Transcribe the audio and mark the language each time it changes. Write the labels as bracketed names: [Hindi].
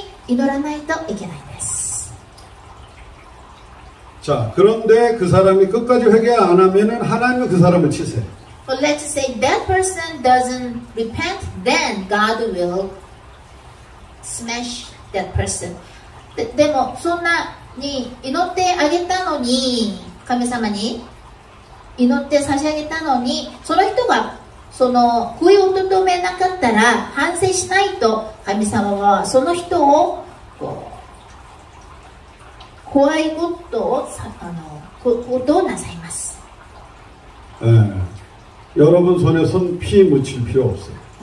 [Japanese] そんな人々が罪を犯したけど、彼のために、彼女のために祈らないといけないです。 [Korean] 자, 그런데 그 사람이 끝까지 회개 안 하면은 하나님은 그 사람을 치세요. [English] But let's say that person doesn't repent, then God will smash that person. [Japanese] でもそんなに祈ってあげたのに神様に祈って差し上げたのに、その人がその悔いを求めなかったら反省しないと神様はその人を怖いことをことをなさいます。 [Korean] 여러분 손에 손피 묻힐 필요 없어요.